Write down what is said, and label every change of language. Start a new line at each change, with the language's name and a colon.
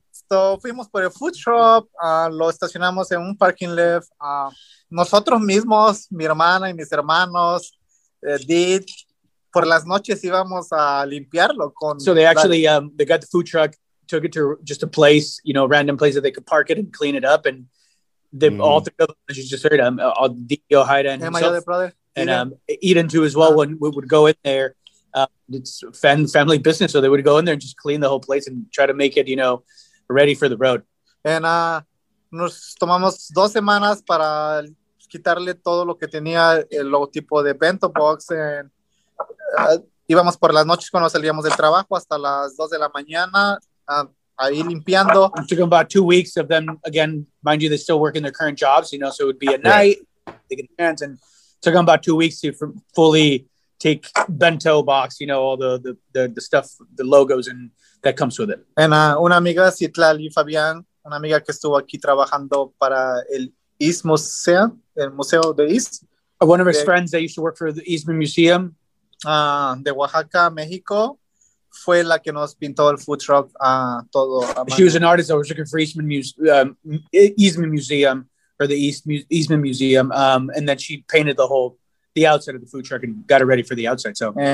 Spanish: So, fuimos por el food truck, lo estacionamos en un parking lot. Nosotros mismos, mi hermana y mis hermanos, did. Por las noches íbamos a limpiarlo con.
English: So they actually they got the food truck, took it to just a place, you know, a random place that they could park it and clean it up, and they all three of them, as you just heard, Dio, Haida, and himself, and Eden too as well. When we would go in there, it's family business, so they would go in there and just clean the whole place and try to make it, you know, ready for the road.
Spanish: And nos tomamos 2 semanas para quitarle todo lo que tenía el logotipo de Bento Box and. Íbamos por las noches cuando salíamos del trabajo hasta las 2 de la mañana ahí limpiando.
English: It took about 2 weeks of them, again, mind you, they still work in their current jobs, you know, so it would be at night, they get hands, and it took them about 2 weeks to fully take Bento Box, you know, all the stuff, the logos and that comes with it.
Spanish: And una amiga, Citlali Fabián, una amiga que estuvo aquí trabajando para el East Museum, el Museo de East.
English: One of his friends that used to work for the Eastman Museum.
Spanish: De Oaxaca, Mexico, fue la que nos pintó el food truck todo.
English: She was an artist that was looking for Eastman, Eastman Museum or the Eastman Museum, and then she painted the outside of the food truck and got it ready for the outside. So